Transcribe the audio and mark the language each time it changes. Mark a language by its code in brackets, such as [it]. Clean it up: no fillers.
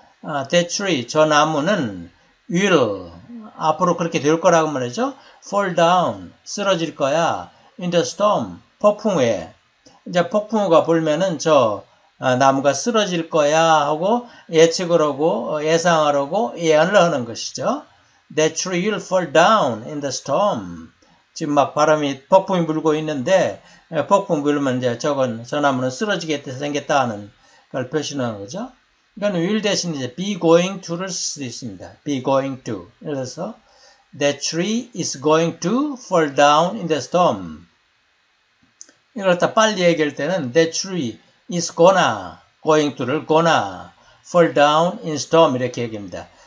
[en] That tree, [ko] 저 나무는 will, 앞으로 그렇게 될 거라고 말이죠. [en] Fall down, [ko] 쓰러질 거야. [en] In the storm, [ko] 폭풍에. 이제 폭풍우가 불면은 저 나무가 쓰러질 거야 하고 예측을 하고 예상하려고 예언을 하는 것이죠. [en] That tree will fall down in the storm. [ko] 지금 막 바람이 폭풍이 불고 있는데 폭풍 불면 이제 저건 저 나무는 쓰러지겠다 생겼다는 걸 표시하는 거죠. 이건 will 대신 이제 [en] be going to [ko] 를 쓸수 있습니다. be going to. 예를 들어서 [en] that tree is going to fall down in the storm. [ko] 이걸 갖다 빨리 얘기할 때는 [en] that tree is gonna going to를 gonna fall down in storm [ko] 이렇게 얘기합니다.